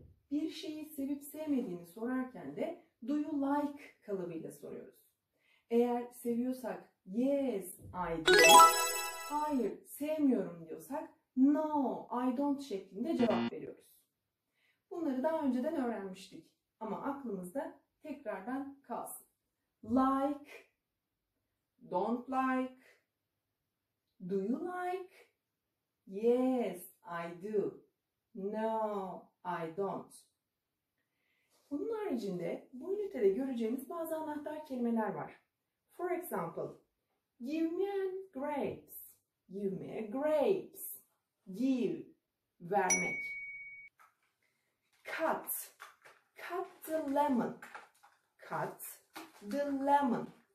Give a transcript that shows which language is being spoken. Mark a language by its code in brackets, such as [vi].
[tr] bir şeyi sevip sevmediğini sorarken de [en] do you like [tr] kalıbıyla soruyoruz. Eğer seviyorsak [en] yes I do, [tr] hayır sevmiyorum diyorsak [en] no I don't [tr] şeklinde cevap veriyoruz. Bunları daha önceden öğrenmiştik ama aklımızda tekrardan kalsın. [en] Like, don't like, do you like, yes I do, no I don't. [tr] Bunun haricinde bu ünitede göreceğimiz bazı anahtar kelimeler var. [en] For example, give me grapes. Give me grapes. Give, vermek. Cut, cut the lemon. Cut the lemon.